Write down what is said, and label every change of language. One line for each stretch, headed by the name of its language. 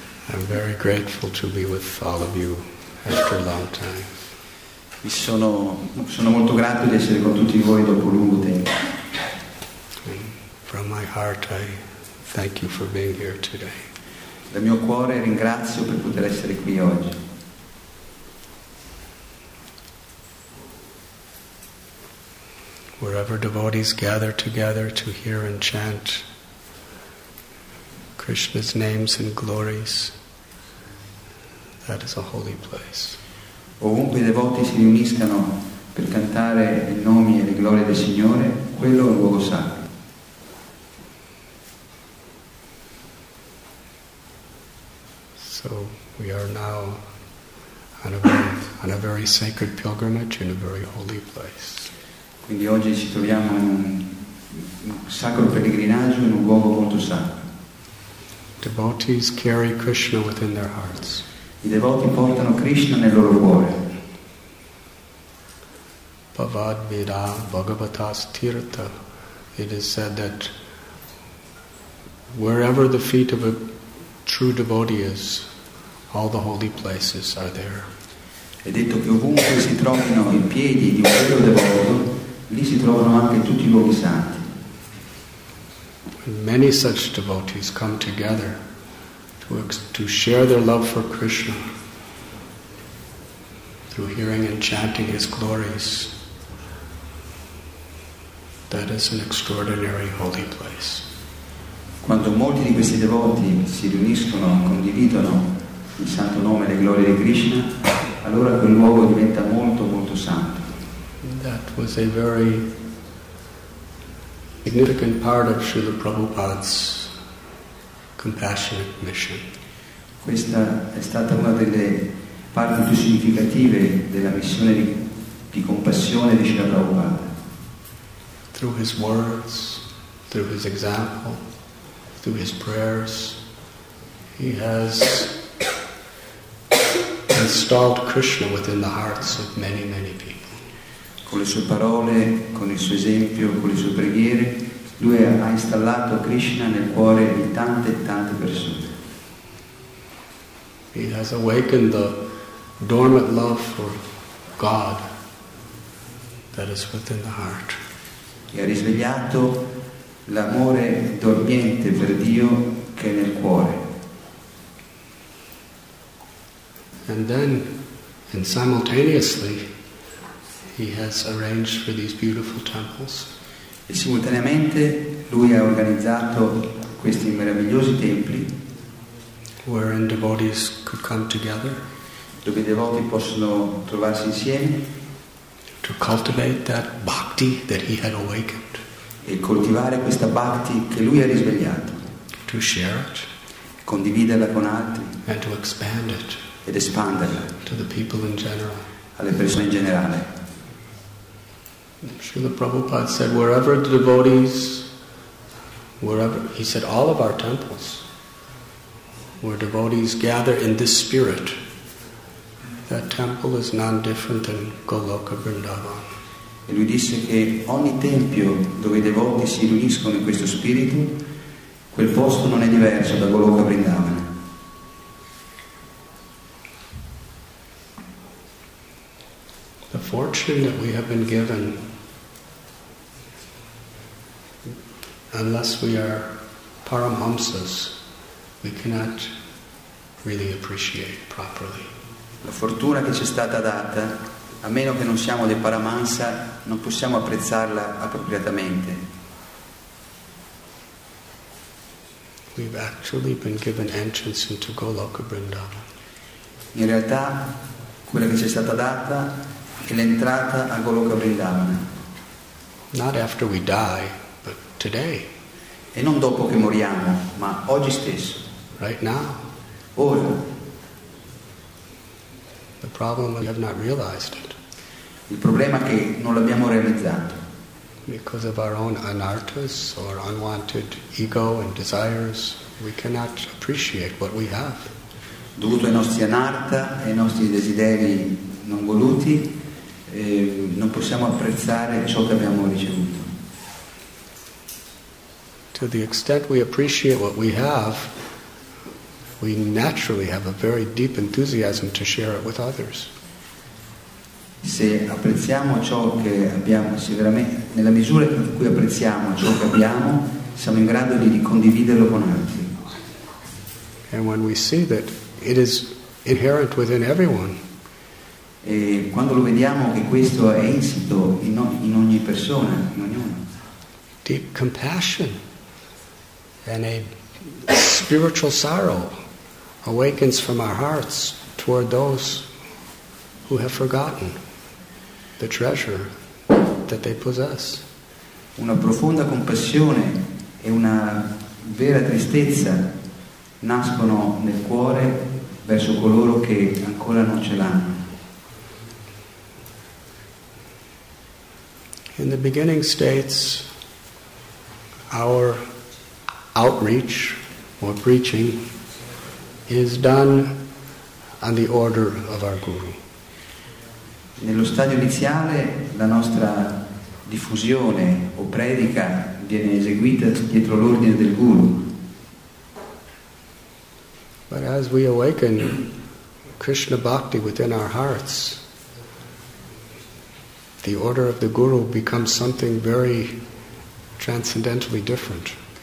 English: I'm very grateful to be with all of you after a long time.
Italian: Mi sono molto grato di essere con tutti voi dopo lungo tempo.
English: From my heart, I thank you for being here today.
Italian: Dal mio cuore ringrazio per poter essere qui oggi.
English: Wherever devotees gather together to hear and chant Krishna's names and glories, that is a holy place.
Italian: Ovunque i devoti si riuniscano per cantare i nomi e le glorie del Signore, quello è un luogo sacro.
English: So we are now on a very sacred pilgrimage in a very holy place.
Italian: Quindi oggi ci troviamo in un sacro pellegrinaggio in un luogo molto sacro.
English: Devotees carry Krishna within their hearts.
Italian: I devoti portano Krishna nel loro cuore.
Sanskrit: Pavad Vira Bhagavatas Tirtha.
English: It is said that wherever the feet of a true devotee is, all the holy places are there.
Italian: È detto che ovunque si trovino i piedi di un vero devoto, lì si trovano anche tutti i luoghi santi.
English: When many such devotees come together to share their love for Krishna through hearing and chanting his glories, that is an extraordinary holy place.
Italian: Quando molti di questi devoti si riuniscono e condividono il santo nome e le glorie di Krishna, allora quel luogo diventa molto molto santo.
English: That was a very significant part of Srila Prabhupada's compassionate mission.
Italian: Questa è stata una delle parti più significative della missione di compassione di Srila Prabhupada.
English: Through his words, through his example, through his prayers, he has installed Krishna within the hearts of many, many people.
Italian: Con le sue parole, con il suo esempio, con le sue preghiere, lui ha installato Krishna nel cuore di tante e tante persone.
English: He has awakened the dormant love for God that is within the heart.
Italian: E ha risvegliato l'amore dormiente per Dio che è nel cuore.
English: And then, and simultaneously, he has arranged for these beautiful temples.
Italian: E simultaneamente lui ha organizzato questi meravigliosi templi
English: wherein devotees could come together,
Italian: dove i devoti possono trovarsi insieme,
English: to cultivate that bhakti that he had awakened,
Italian: e coltivare questa bhakti che lui ha risvegliato,
English: to share it,
Italian: condividerla con altri,
English: and to expand it,
Italian: ed espanderla,
English: to the people in general,
Italian: alle persone in generale.
English: Srila Prabhupada said, wherever the devotees, wherever, he said, all of our temples, where devotees gather in this spirit, that temple is none different than Goloka Vrindavan.
Italian: E lui disse che ogni tempio dove i devoti si riuniscono in questo spirito, quel posto non è diverso da Goloka Vrindavan.
English: The fortune that we have been given, unless we are paramhamsas, we cannot really appreciate properly.
Italian: La fortuna che ci è stata data, a meno che non siamo dei paramhamsa, non possiamo apprezzarla appropriatamente.
English: We've actually been given entrance into Goloka Vrindavan.
Italian: In realtà, quella che ci è stata data è l'entrata a Goloka Vrindavan.
English: Not after we die, but today.
Italian: E non dopo che moriamo, ma oggi stesso.
English: Right now.
Italian: Ora.
English: The problem we have not realized it.
Italian: Il problema è che non l'abbiamo realizzato.
English: Because of our own anarthas or unwanted ego and desires, we cannot appreciate what we have.
Italian: Dovuto ai nostri anartha e ai nostri desideri non voluti, non possiamo apprezzare ciò che abbiamo ricevuto.
English: to the extent we appreciate what we have, we naturally have a very deep enthusiasm to share it with others.
Italian: Se apprezziamo ciò che abbiamo, sicuramente, nella misura in cui apprezziamo ciò che abbiamo, siamo in grado di condividerlo con altri.
English: And when we see that it is inherent within everyone.
Italian: E quando lo vediamo che questo è insito in ogni persona, in ognuno.
English: Deep compassion and a spiritual sorrow awakens from our hearts toward those who have forgotten the treasure that they possess.
Italian: Una profonda compassione e una vera tristezza nascono nel cuore verso coloro che ancora non ce l'hanno.
English: In the beginning states, our outreach or preaching is done on the order of our guru.
Italian: Nello stadio iniziale la nostra diffusione o predica viene eseguita dietro l'ordine del guru.
English: But as we awaken Krishna bhakti within our hearts, the order of the guru becomes something very transcendentally different.